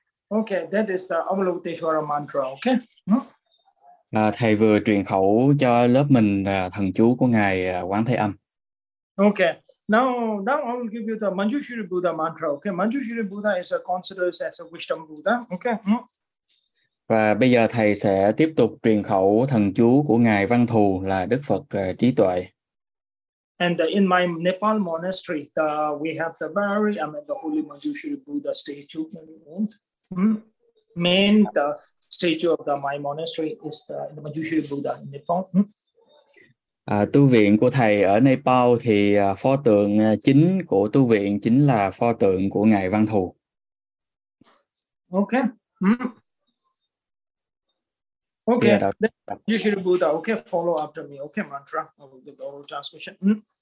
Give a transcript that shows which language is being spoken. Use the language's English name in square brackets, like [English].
[English] Okay, that is the Avalokiteshvara mantra, okay? [Vietnamese] Thầy vừa truyền khẩu cho lớp mình thần chú của ngài Quán Thế Âm. [English] Okay, now I will give you the Manjushri Buddha mantra, okay? Manjushri Buddha is considered as a wisdom Buddha, okay? [Vietnamese] Và bây giờ thầy sẽ tiếp tục truyền khẩu thần chú của ngài Văn Thù là Đức Phật Trí Tuệ. [English] And in my Nepal monastery, we have the very, the Holy Manjushri Buddha statue. Main the statue of my monastery is the Manjushri Buddha in Nepal. [Vietnamese] Tu viện của thầy ở Nepal thì pho tượng chính của tu viện chính là pho tượng của ngài Văn Thù. [English] Okay. Okay. Manjushri Buddha. Okay. Follow after me. Okay. Mantra. Oral transmission.